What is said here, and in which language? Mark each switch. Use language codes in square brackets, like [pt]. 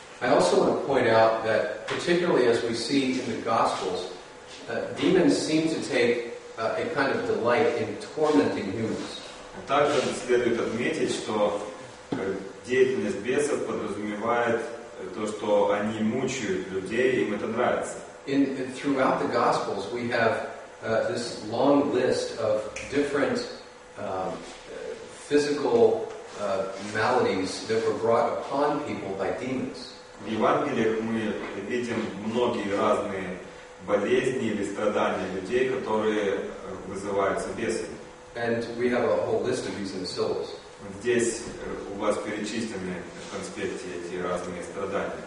[en] I also want to point out that, particularly as we see in the Gospels, demons seem to take a kind of delight in tormenting humans. [ru] Также следует отметить, что деятельность бесов подразумевает то, что они мучают людей, им это нравится. [en] Throughout the Gospels, we have this long list of different physical maladies that were brought upon people by demons. [ru] В Евангелиях мы видим многие разные болезни или страдания людей, которые вызываются бесами. [en] And we have a whole list of these in the syllabus. [ru] Здесь у вас перечислены в конспекте эти разные страдания.